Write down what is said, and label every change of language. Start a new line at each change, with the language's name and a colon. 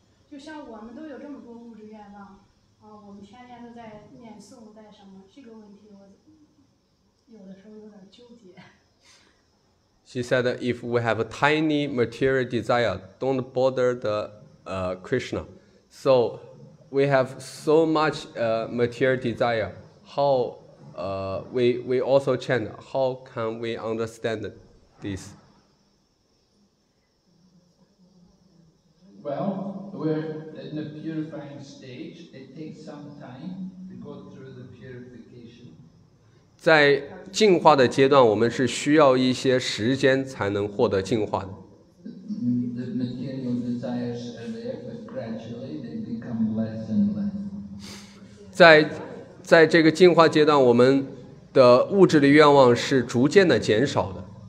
Chinese: 就像我们都有这么多物质愿望啊，我们天天都在念诵在什么，这个问题我有的时候有点纠结。
English: She said if we have a tiny material desire, don't bother the Krishna. So we have so much material desire, how we also chant, how can we understand this? Well,we're in a purifying stage. It takes some time to go through the purification.
Chinese: 在进化的阶段，我们是需要一些时间才能获得进化的。
English: The material desires are there, but gradually they become less and less.
Chinese: 在这个进化阶段，我们的物质的愿望是逐渐的减少的。